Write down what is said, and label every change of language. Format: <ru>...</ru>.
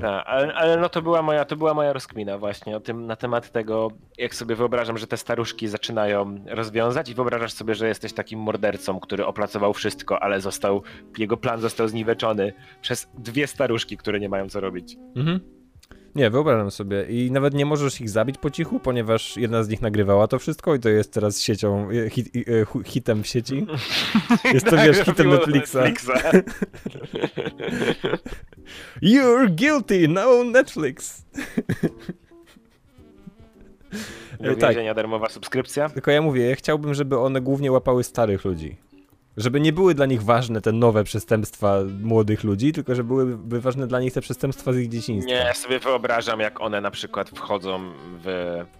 <pl>Tak, ale no to była moja rozkmina właśnie o tym, na temat tego, jak sobie wyobrażam, że te staruszki zaczynają rozwiązać i wyobrażasz sobie, że jesteś takim mordercą, który opracował wszystko, ale jego plan został zniweczony przez dwie staruszki, które nie mają co robić. Mhm. Nie, wyobrażam sobie. I nawet nie możesz ich zabić po cichu, ponieważ jedna z nich nagrywała to wszystko i to jest teraz siecią, hitem w sieci. Jest to, wiesz, hitem Netflixa.</pl> <en>You're guilty, now on Netflix.</en> <pl>Tak. Więzienia, darmowa subskrypcja. Tylko ja mówię, ja chciałbym, żeby one głównie łapały starych ludzi. Żeby nie były dla nich ważne te nowe przestępstwa młodych ludzi, tylko że byłyby ważne dla nich te przestępstwa z ich dzieciństwa. Nie, ja sobie wyobrażam, jak one na przykład wchodzą w...</pl>